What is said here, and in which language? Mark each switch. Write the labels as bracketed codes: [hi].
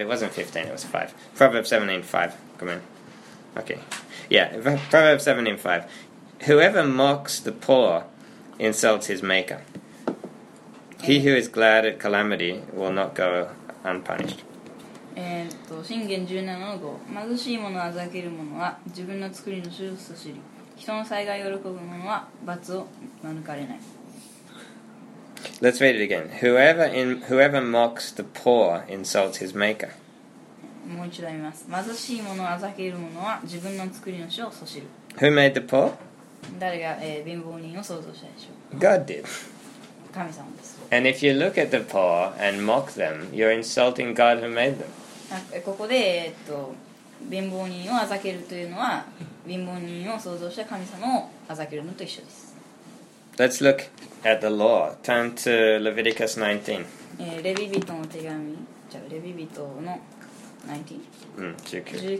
[en] It wasn't 15, it was 5. Proverbs 17, 5. Come on. Okay. Yeah, Proverbs 17, 5. Whoever mocks the poor insults his maker. He who is glad at calamity will not go unpunished. [ja] 箴言17の5。貧しい者をあざける者は自分の作りの主を知り。人の災害を喜ぶ者は罰を免れない。 [en] Let's read it again. Whoever mocks the poor insults his maker. [ja] もう一度読みます。貧しい者をあざける者は自分の作り主をそしる。 [en] Who made the poor? [ja] 誰が、貧乏人を創造したでしょう。 [en] God did. [ja] 神様です。 [en] And if you look at the poor and mock them, you're insulting God who made them. [ja] ここで、貧乏人をあざけるというのは、貧乏人を創造した神様をあざけるのと一緒です。 [en] Let's look at the law. Turn to Leviticus 19. [ja] レビ人の手紙、じゃあレビ人の19。